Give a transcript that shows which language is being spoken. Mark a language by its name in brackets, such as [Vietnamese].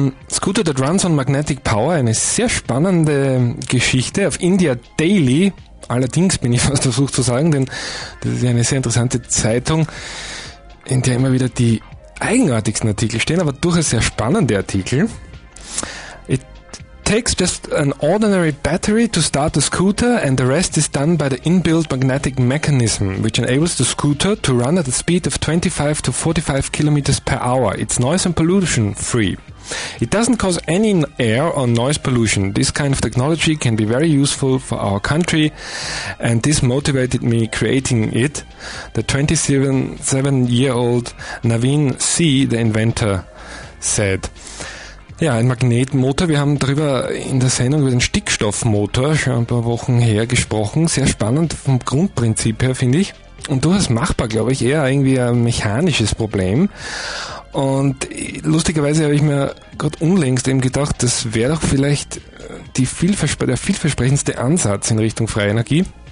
[English] Scooter that runs on magnetic power, [German] eine sehr spannende Geschichte auf India Daily, allerdings bin ich fast versucht zu sagen, denn das ist ja eine sehr interessante Zeitung, in der immer wieder die eigenartigsten Artikel stehen, aber durchaus sehr spannende Artikel. [English] It takes just an ordinary battery to start the scooter and the rest is done by the inbuilt magnetic mechanism which enables the scooter to run at a speed of 25 to 45 kilometers per hour. It's noise and pollution free. It doesn't cause any air or noise pollution. This kind of technology can be very useful for our country and this motivated me creating it. The 27-year-old Naveen C., the inventor, said. [German] Ja, ein Magnetmotor. Wir haben darüber in der Sendung über den Stickstoffmotor schon ein paar Wochen her gesprochen. Sehr spannend vom Grundprinzip her, finde ich. Und durchaus machbar, glaube ich, eher irgendwie ein mechanisches Problem. Und lustigerweise habe ich mir gerade unlängst eben gedacht, das wäre doch vielleicht der vielversprechendste Ansatz in Richtung freie Energie.